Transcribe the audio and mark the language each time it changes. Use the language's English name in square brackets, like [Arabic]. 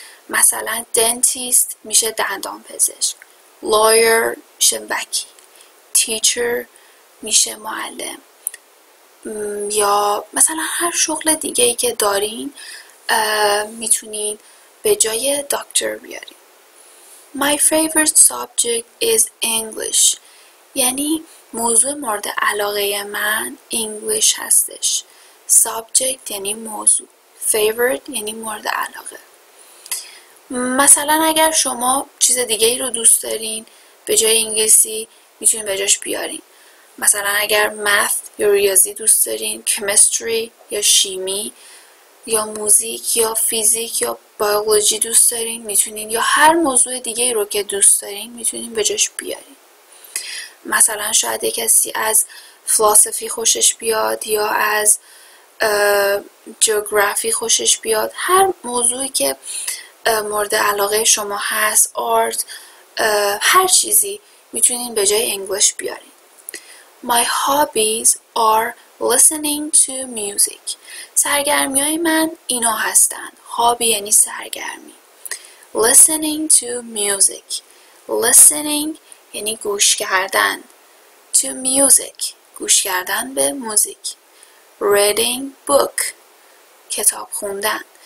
[Persian] مثلا دنتیست میشه دندان پزشک. لایر میشه وکی. تیچر میشه معلم. یا مثلا هر شغل دیگه ای که دارین میتونین به جای دکتر بیارین. [English] My favorite subject is English. [Persian] یعنی موضوع مورد علاقه من انگلیش هستش. سابجکت یعنی موضوع. فیورت یعنی مورد علاقه. مثلا اگر شما چیز دیگه ای رو دوست دارین به جای انگلیسی، میتونین به جاش بیارین. مثلا اگر مث یا ریاضی دوست دارین، کمستری یا شیمی یا موزیک یا فیزیک یا بیولوژی دوست دارین، میتونین. یا هر موضوع دیگه ای رو که دوست دارین میتونین به جاش بیارین. مثلا شاید یک کسی از فلسفی خوشش بیاد یا از جغرافی خوشش بیاد. هر موضوعی که مورد علاقه شما هست، آرت، هر چیزی میتونین به جای انگلیش بیارین. [English] My hobbies are listening to music. [Persian] سرگرمی های من اینا هستن. Hobby یعنی سرگرمی. [English] Listening to music. [Persian] Listening یعنی گوش کردن. [English] To music. [Persian] گوش کردن به موزیک. [English] Reading book. [Persian] کتاب خوندن.